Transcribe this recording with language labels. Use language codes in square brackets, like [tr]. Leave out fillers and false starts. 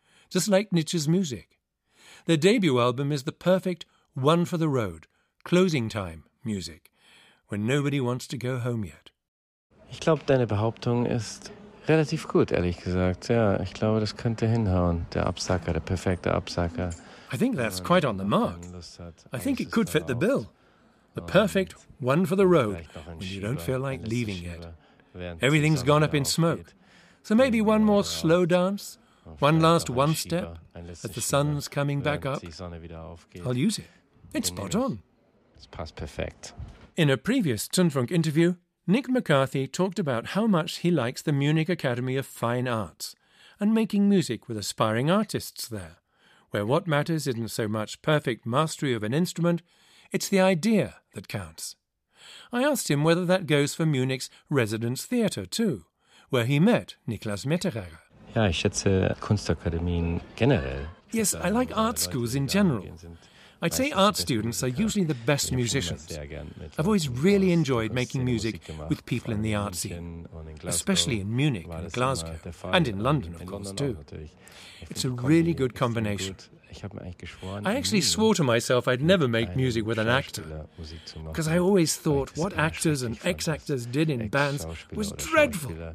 [en] Just like Nietzsche's music. Their debut album is the perfect one for the road, closing time music, when nobody wants to go home yet. [de] Ich glaube, deine Behauptung ist relativ gut, ehrlich gesagt. Ja, ich glaube, das könnte hinhauen, der Absacker, der perfekte Absacker. [en] I think that's quite on the mark. I think it could fit the bill. The perfect one for the road, when you don't feel like leaving yet. Everything's gone up in smoke. So maybe one more slow dance? One last one step as the sun's coming back up. I'll use it. It's spot on. It's past perfect. In a previous Zündfunk interview, Nick McCarthy talked about how much he likes the Munich Academy of Fine Arts and making music with aspiring artists there, where what matters isn't so much perfect mastery of an instrument, it's the idea that counts. I asked him whether that goes for Munich's residence theatre too, where he met Niklas Metteregger. [de] Ja, ich schätze Kunstakademien generell. [en] Yes, I like art schools in general. I'd say art students are usually the best musicians. I've always really enjoyed making music with people in the art scene, especially in Munich and Glasgow, and in London, of course, too. It's a really good combination. I actually swore to myself I'd never make music with an actor, because I always thought what actors and ex-actors did in bands was dreadful.